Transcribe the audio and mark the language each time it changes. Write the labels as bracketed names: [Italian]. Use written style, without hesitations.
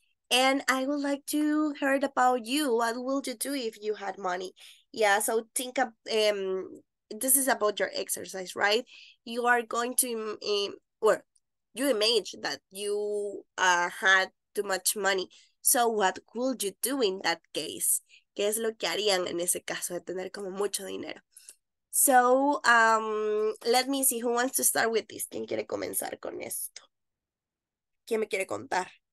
[English] And I would like to hear about you. What will you do if you had money? Yeah, so think up this is about your exercise, right? You are going to or you imagine that you had too much money. So what would you do in that case? [Spanish] ¿Qué es lo que harían en ese caso de tener como mucho dinero? [English] So, let me see who wants to start with this. [Spanish] ¿Quién quiere comenzar con esto? ¿Quién me quiere contar?